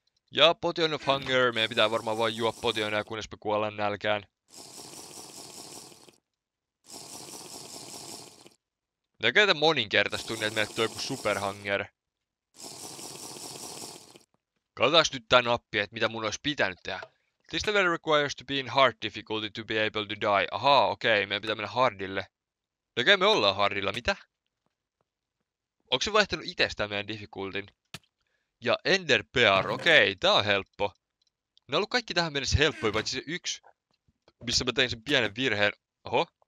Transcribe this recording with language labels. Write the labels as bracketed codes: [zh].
[fi] Ja Potion of Hunger, meidän pitää varmaan vain juo potionia, kunnes me kuollaan nälkään. Näkee tämän moninkertaistun, että meille tulee joku superhanger. Katsotaan nyt tää nappi, että mitä mun olisi pitänyt tehdä. [en] This level requires to be in hard difficulty to be able to die. [fi] Ahaa, okei, meidän pitää mennä hardille. Okei, me ollaan hardilla, mitä? Onko se vaihtanut itsestään meidän difficultin? Ja Ender Bear, okei, tää on helppo. Ne on ollut kaikki tähän mennessä helppoja, paitsi se yksi, missä mä tein sen pienen virheen. Oho.